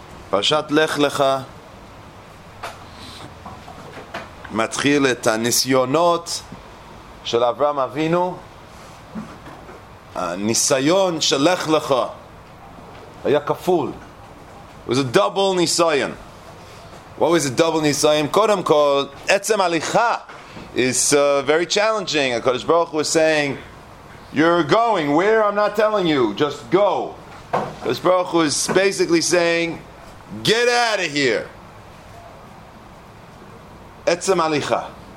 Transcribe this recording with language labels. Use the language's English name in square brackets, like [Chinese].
[Hebrew] פרשת לך לך מתחיל את הניסיונות של אברהם אבינו, הניסיון של לך לך היה כפול. [English] It was a double ניסיון. What was a double ניסיון? [Hebrew] קודם כל, עצם הליכה [English] is very challenging. הקדוש ברוך הוא saying, you're going where? I'm not telling you, just go. Because Baruch Hu is basically saying, get out of here. [Hebrew] Etzem alicha.